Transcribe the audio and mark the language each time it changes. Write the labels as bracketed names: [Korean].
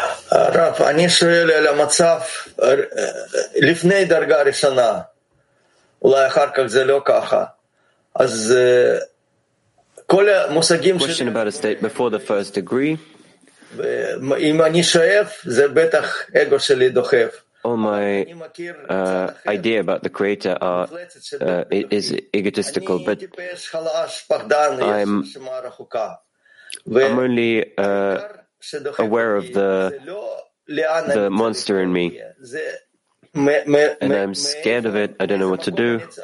[Hebrew] Раф, אני שואל על המצב לפני דרגה ראשונה, אולי אחר כך זה לא ככה. אז כל המושגים... [English] Question about a state before the first degree. [Hebrew] אם אני שואף, זה בטח אגו שלי דוחף. [English] All my idea about the Creator is egotistical, but I'm only aware of the monster in me, and I'm scared of it. I don't know what to do.